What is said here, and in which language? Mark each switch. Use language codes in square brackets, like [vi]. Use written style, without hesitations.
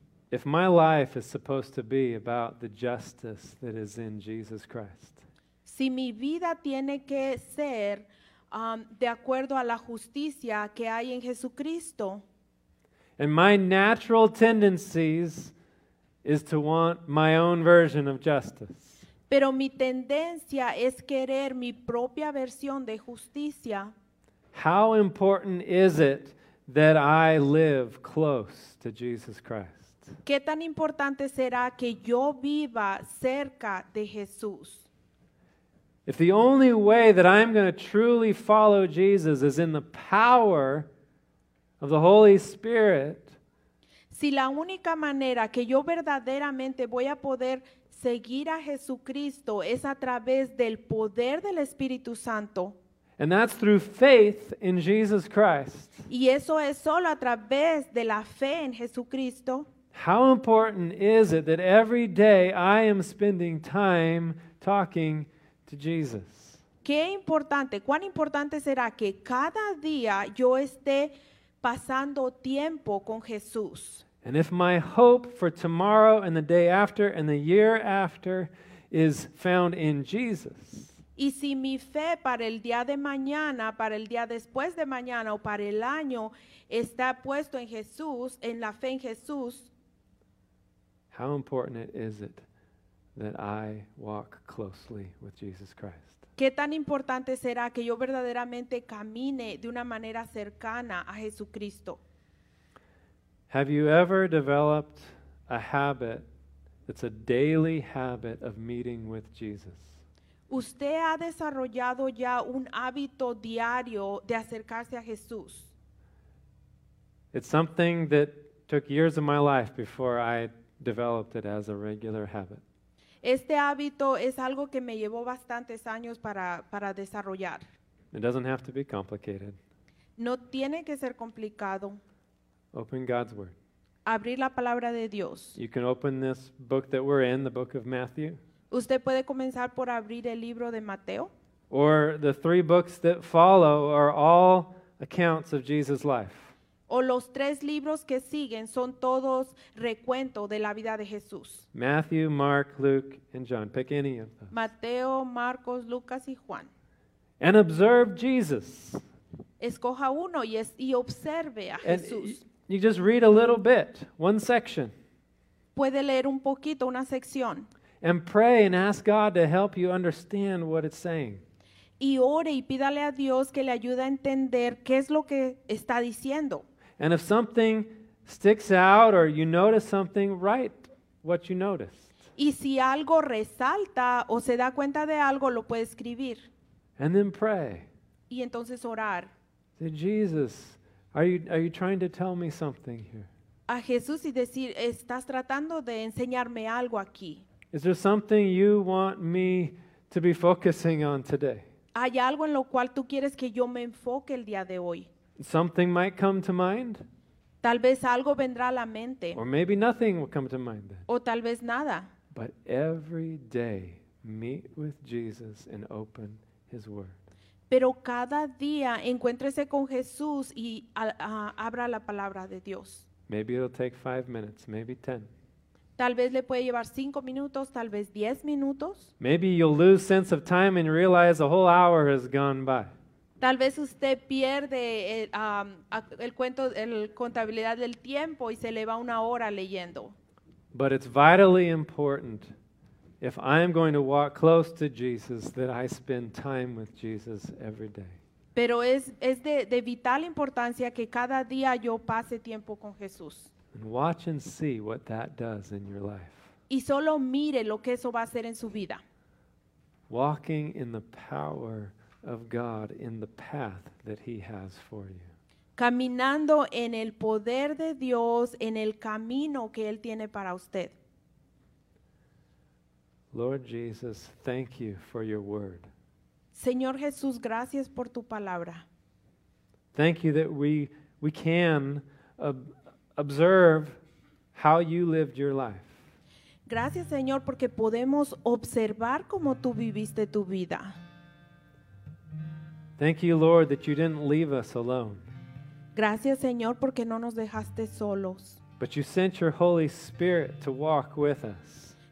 [en] If my life is supposed to be about the justice that is in Jesus Christ, [es] si mi vida tiene que ser de acuerdo a la justicia que hay en Jesucristo, [en] and my natural tendencies is to want my own version of justice, [es] pero mi tendencia es querer mi propia versión de justicia, [en] how important is it that I live close to Jesus Christ? [es] ¿Qué tan importante será que yo viva cerca de Jesús? [en] If the only way that I'm going to truly follow Jesus is in the power of the Holy Spirit, [es] si la única manera que yo verdaderamente voy a poder seguir a Jesucristo es a través del poder del Espíritu Santo. [en] And that's through faith in Jesus Christ. [es] Y eso es solo a través de la fe en Jesucristo. [en] How important is it that every day I am spending time talking to Jesus? [es] Qué importante, cuán importante será que cada día yo esté pasando tiempo con Jesús. [en] And if my hope for tomorrow and the day after and the year after is found in Jesus, [es] y si mi fe para el día de mañana, para el día después de mañana o para el año está puesto en Jesús, en la fe en Jesús, [en] how important is it that I walk closely with Jesus Christ? [es] ¿Qué tan importante será que yo verdaderamente camine de una manera cercana a Jesucristo? [en] Have you ever developed a habit that's a daily habit of meeting with Jesus? [es] ¿Usted ha desarrollado ya un hábito diario de acercarse a Jesús? [en] It's something that took years of my life before I developed it as a regular habit. [es] Este hábito es algo que me llevó bastantes años para desarrollar. [en] It doesn't have to be complicated. [es] No tiene que ser complicado. [en] Open God's Word. [es] Abrir la palabra de Dios. [en] You can open this book that we're in, the book of Matthew. [es] Usted puede comenzar por abrir el libro de Mateo. [en] Or the three books that follow are all accounts of Jesus' life. [es] O los tres libros que siguen son todos recuento de la vida de Jesús. [en] Matthew, Mark, Luke, and John. Pick any of those. [es] Mateo, Marcos, Lucas, y Juan. [en] And observe Jesus. [es] Escoja uno y observe a Jesús. [en] You just read a little bit, one section. [es] Puede leer un poquito, una sección. [en] And pray and ask God to help you understand what it's saying. [es] Y ore y pídale a Dios que le ayude a entender qué es lo que está diciendo. [en] And if something sticks out or you notice something, write what you noticed. [es] Y si algo resalta o se da cuenta de algo, lo puede escribir. [en] And then pray. [es] Y entonces orar. [en] Say, Jesus, Are you trying to tell me something here? [es] A Jesús y decir, ¿estás tratando de enseñarme algo aquí? [en] Is there something you want me to be focusing on today? [es] ¿Hay algo en lo cual tú quieres que yo me enfoque el día de hoy? [en] Something might come to mind. [es] Tal vez algo vendrá a la mente. [en] Or maybe nothing will come to mind then. [es] O tal vez nada. [en] But every day, meet with Jesus and open His Word. [es] Pero cada día, encuéntrese con Jesús y abra la palabra de Dios. [en] Maybe it'll take 5 minutes, maybe 10. [es] Tal vez le puede llevar 5 minutos, tal vez 10 minutos. [en] Maybe you'll lose sense of time and realize a whole hour has gone by. [es] Tal vez usted pierde el contabilidad del tiempo y se le va una hora leyendo. [en] But it's vitally important, if I am going to walk close to Jesus, that I spend time with Jesus every day. [es] Pero es de vital importancia que cada día yo pase tiempo con Jesús. [en] And watch and see what that does in your life. [es] Y solo mire lo que eso va a hacer en su vida. [en] Walking in the power of God in the path that He has for you. [es] Caminando en el poder de Dios en el camino que Él tiene para usted. [en] Lord Jesus, thank you for your word. [es] Señor Jesús, gracias por tu palabra. [en] Thank you that we can observe how you lived your life. [es] Gracias, Señor, porque podemos observar cómo tú viviste tu vida. [en] Thank you, Lord, that you didn't leave us alone. [es] Gracias, Señor, porque no nos dejaste solos. [en] But you sent your Holy Spirit to walk with us.